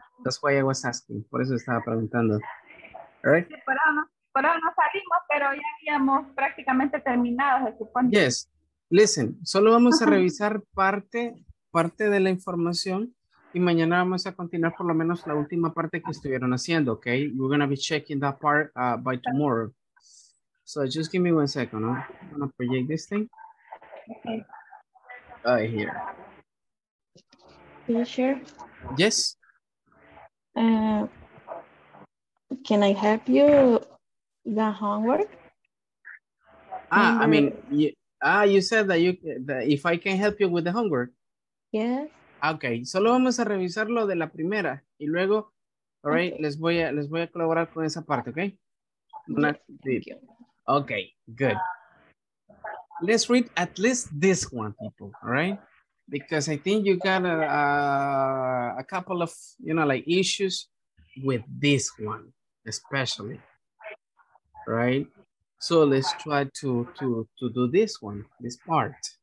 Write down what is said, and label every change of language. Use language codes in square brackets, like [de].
[en] That's why I was asking. [es] Por eso estaba preguntando. [en] Right? [es] Sí, por ahora no salimos, pero ya habíamos prácticamente terminado, se supone. [en] Yes. Listen, [es] solo vamos a revisar parte de la información y mañana vamos a continuar por lo menos la última parte que estuvieron haciendo, ¿ok? [en] We're going to be checking that part by tomorrow. So just give me one second, huh? I'm going to project this thing. Okay. Right here. Are you sure? Yes. Can I help you the homework? You said that if I can help you with the homework. Yes. [es] Okay, solo vamos a revisar lo de la primera y luego, [en] all right, okay. [es] les voy a colaborar con esa parte, okay? [en] Okay, good. Let's read at least this one, people, all right? Because I think you got a couple of, you know, like issues with this one, especially, right? So let's try to do this one, this part.